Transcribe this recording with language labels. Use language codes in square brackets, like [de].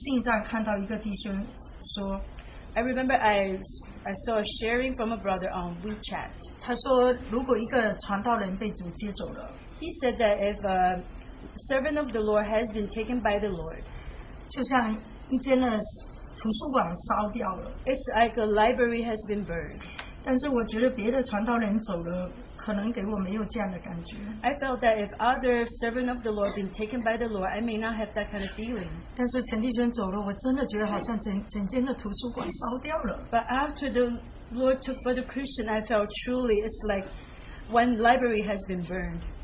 [zh] 我记得在微信上看到一个弟兄说 [en] I remember I saw a sharing from a brother on WeChat. [zh] 他说如果一个传道人被主接走了, [en] he said that if a servant of the Lord has been taken by the Lord, [zh] 就像一间的图书馆烧掉了, [en] it's like a library has been burned. [zh] 但是我觉得别的传道人走了, [en] I felt that if other servant of the Lord been taken by the Lord, I may not have that kind of feeling. [zh] 但是前弟兄走了, [en] but after the Lord took Brother Christian, I felt truly it's like one library has been burned.